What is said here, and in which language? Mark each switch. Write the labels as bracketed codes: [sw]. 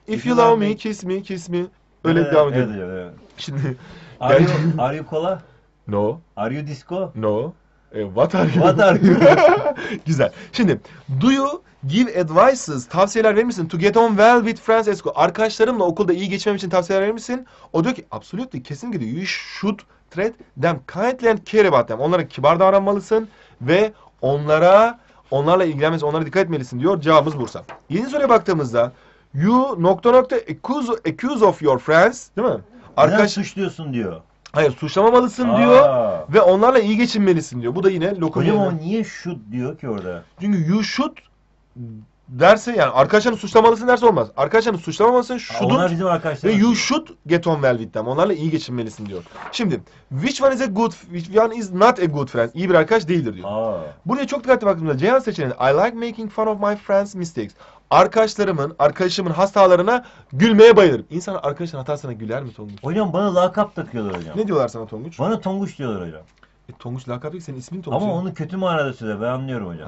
[en] If you love me, kiss me, kiss me. [tr] Öyle devam ediyor. Şimdi. [en] Are you cola? No. Are you disco? No. What are you? What are you? [tr] Güzel. Şimdi, [en] do you give advices, [tr] tavsiyeler verir misin? [en] To get on well with friends at school. [tr] Arkadaşlarımla okulda iyi geçmem için tavsiyeler verir misin? O diyor ki, [en] absolutely, [tr] kesinlikle diyor. [en] You should treat them kindly and care about them. [tr] Onlara kibar davranmalısın ve onlarla ilgilenmelisin, onlara dikkat etmelisin diyor. Cevabımız Bursa. Yeni soruya baktığımızda, [en] you nokta nokta accuse of your friends, [tr] değil mi? Arkadaş suçluyorsun diyor. Hayır, suçlamamalısın diyor ve onlarla iyi geçinmelisin diyor. Bu da yine lokal. Hocam o niye should diyor ki orada? Çünkü [en] you should [tr] derse, yani arkadaşını suçlamalısın derse olmaz. Arkadaşını suçlamamalısın, should'un ve [en] you should get on well with them. [tr] Onlarla iyi geçinmelisin diyor. [en] Şimdi, which one is a good, which one is not a good friend? [tr] İyi bir arkadaş değildir diyor. Buraya çok dikkatli baktığımda Ceyhan seçeneği, [en] I like making fun of my friends' mistakes. [tr] Arkadaşımın hastalarına gülmeye bayılırım. İnsan arkadaşının hatasına güler mi Tonguç? Hocam bana lakap takıyorlar hocam. Ne diyorlar sana Tonguç? Bana Tonguç diyorlar hocam. Tonguç lakap değil, senin ismin Tonguç. Ama onu kötü manada söyle, ben anlıyorum hocam.